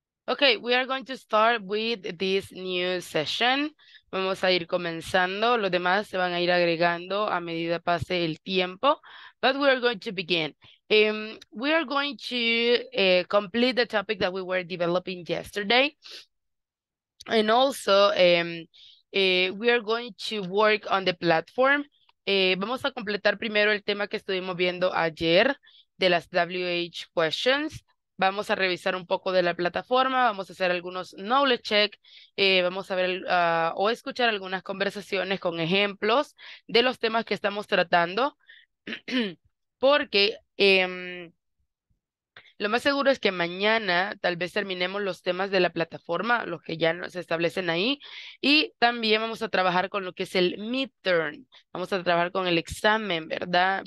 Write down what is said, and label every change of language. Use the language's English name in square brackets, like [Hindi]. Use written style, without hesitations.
[English] Okay, we are going to start with this new session. [Spanish] Vamos a ir comenzando. Los demás se van a ir agregando a medida pase el tiempo. [English] But we are going to begin. We are going to complete the topic that we were developing yesterday. And also, we are going to work on the platform. [Spanish] Vamos a completar primero el tema que estuvimos viendo ayer de las WH questions. Vamos a revisar un poco de la plataforma, vamos a hacer algunos knowledge check, vamos a ver o escuchar algunas conversaciones con ejemplos de los temas que estamos tratando, porque lo más seguro es que mañana tal vez terminemos los temas de la plataforma, los que ya se establecen ahí, y también vamos a trabajar con lo que es el midterm, vamos a trabajar con el examen, ¿verdad?